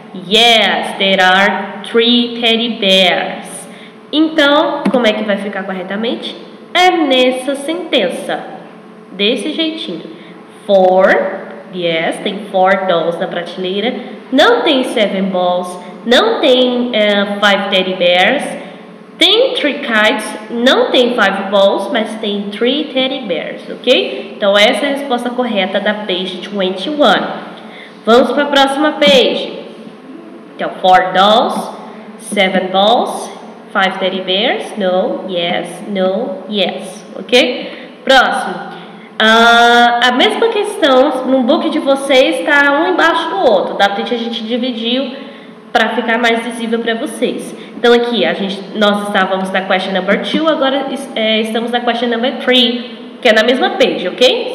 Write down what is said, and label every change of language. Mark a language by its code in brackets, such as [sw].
[en] Yes, there are three teddy bears. [pt] Então, como é que vai ficar corretamente? É nessa sentença. Desse jeitinho. four. Yes, tem four dolls na prateleira. Não tem seven balls. Não tem five teddy bears. Tem three kites. Não tem five balls, mas tem three teddy bears, ok? Então essa é a resposta correta da page 21. Vamos para a próxima page. Então, four dolls, seven balls, five teddy bears. [en] No, yes, no, yes, ok? Próximo. [pt] A mesma questão, no book de vocês está um embaixo do outro. Da frente a gente dividiu para ficar mais visível para vocês. Então aqui, nós estávamos na question number 2, agora estamos na question number 3, que é na mesma page, ok?